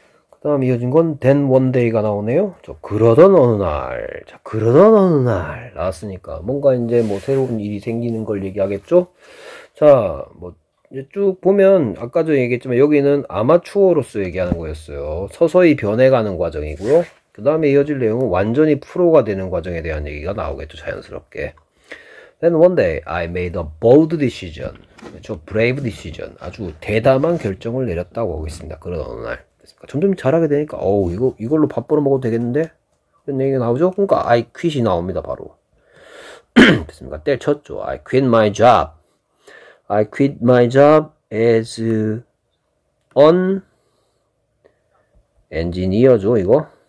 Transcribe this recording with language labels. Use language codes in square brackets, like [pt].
[ko] 그다음 이어진 건 then one day가 나오네요. 저 그러던 어느 날, 자 그러던 어느 날 나왔으니까 뭔가 이제 뭐 새로운 일이 생기는 걸 얘기하겠죠. 자, 뭐쭉 보면 아까도 얘기했지만 여기는 아마추어로서 얘기하는 거였어요. 서서히 변해가는 과정이고요. 그다음에 이어질 내용은 완전히 프로가 되는 과정에 대한 얘기가 나오겠죠, 자연스럽게. [en] Then one day I made a bold decision. 저 brave decision. [ko] 아주 대담한 결정을 내렸다고 하고 있습니다. 그러던 어느 날. 점점 잘하게 되니까 어우 이거 이걸로 밥 벌어 먹어도 되겠는데 이런 얘기가 나오죠. 그러니까 I quit이 나옵니다 바로. 됐습니까? 때려쳤죠. [en] I quit my job. I quit my job as an engineer죠 [ko] 이거.